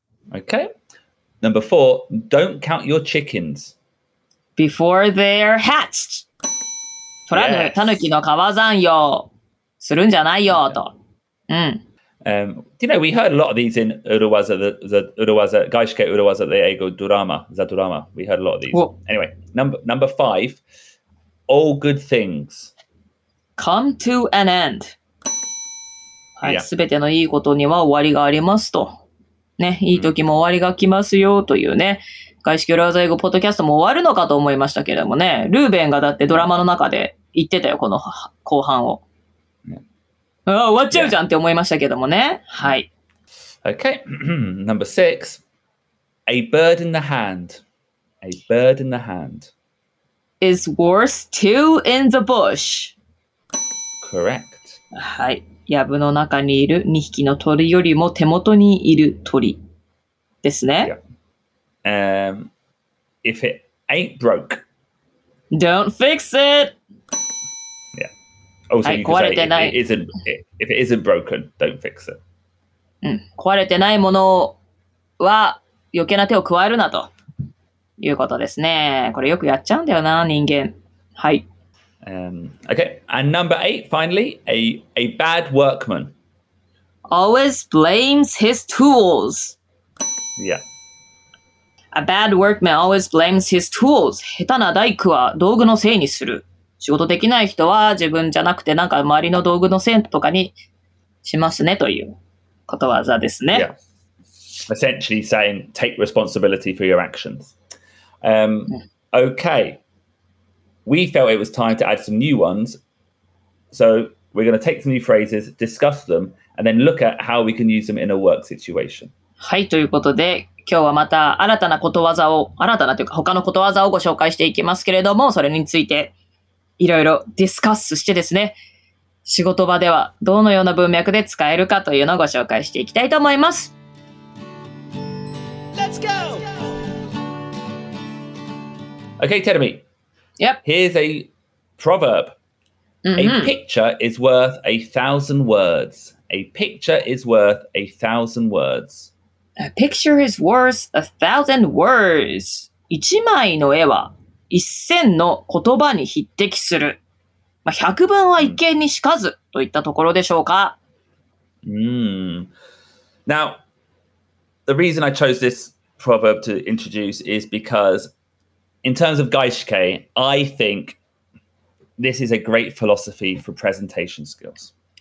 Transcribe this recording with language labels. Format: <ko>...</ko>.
<en>Okay. Number four, don't count your chickens. Before they're hatched.</en> <ja>取らぬ、タヌキの皮算用するんじゃないよ、と。うん。</ja> <en>You know, we heard a lot of these in Uruwaza, the Uruwaza, Gaishke Uruwaza, the Ego Durama, Zadurama. We heard a lot of these. Anyway, number five, all good things. Come to an end.</en> <ja>はい、すべてのいいことには終わりがありますと。ね、いい時も終わりが来ますよというね。 Gaishke Uruwaza Ego Podcast も終わるのかと思いましたけれどもね。ルーベンがだってドラマの中で言ってたよ、この後半を。ああ終わっちゃうじゃんって思いましたけどもね。はい。</ja> <en>Okay. Number six. A bird in the hand. A bird in the hand. Is worth two in the bush. Correct.</en> <ja>はい。やぶの中にいる2匹の鳥よりも手元にいる鳥ですね。</ja> <en>If it ain't broke. Don't fix it! Also, you can say if it isn't broken, don't fix it.</en> <ja>壊れてないものは余計な手を加えるなということですね。これよくやっちゃうんだよな、人間。はい。</ja> <en>Okay, and number eight, finally, a bad workman. Always blames his tools. Yeah. A bad workman always blames his tools.</en> <ja>下手な大工は道具のせいにする。仕事できない人は自分じゃなくてなんか周りの道具の線とかにしますねということわざですね。</ja> <en>Yeah. Essentially saying take responsibility for your actions. Okay. We felt it was time to add some new ones. So we're going to take some new phrases, discuss them, and then look at how we can use them in a work situation.</en> <ja>はい、ということで今日はまた新たなことわざを、新たなというか他のことわざをご紹介していきますけれども、それについていろいろディスカスしてですね、仕事場ではどのような文脈で使えるかというのをご紹介していきたいと思います。</ja> <en>Let's go! Okay, tell me. Yep. Here's a proverb. A picture is worth a thousand words. A picture is worth a thousand words. A picture is worth a thousand words.</en> <ja>一枚の絵は一千の言葉に匹敵する。まあ、百聞は一見にしかずといったところでしょうか。</ja> <en>Now, the reason I chose this proverb to introduce is because, in terms of gaishike, I think this is a great philosophy for presentation skills.</en>